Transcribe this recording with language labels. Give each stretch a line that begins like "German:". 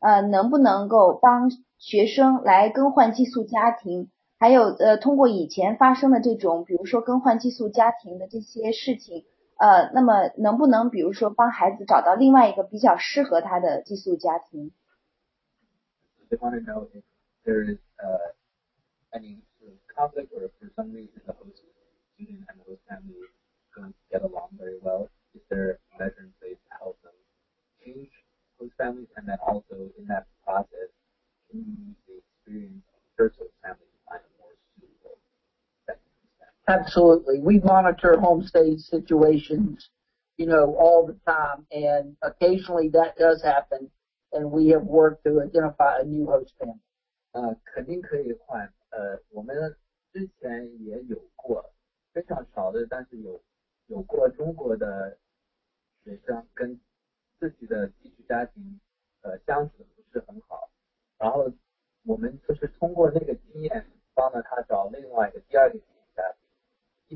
Chinese: 能不能够帮学生来更换寄宿家庭，还有通过以前发生的这种比如说更换寄宿家庭的这些事情，那么能不能比如说帮孩子找到另外一个比较适合他的寄宿家庭？
English: They want to know if there is any conflict or for some reason the host student and host family don't get along very well. Is there a measure in place to help them change host families? And then also in that process, can you use the experience of the first host family to find a more suitable second? Absolutely. We monitor homestay situations, you know, all the time, and occasionally that does happen, and we have worked to identify a new host family.
Chinese: 肯定可以换。我们之前也有过非常少的，但是有过中国的学生跟自己的寄宿家庭相处的不是很好，然后我们就是通过那个经验帮了他找另外一个第二个寄宿家庭。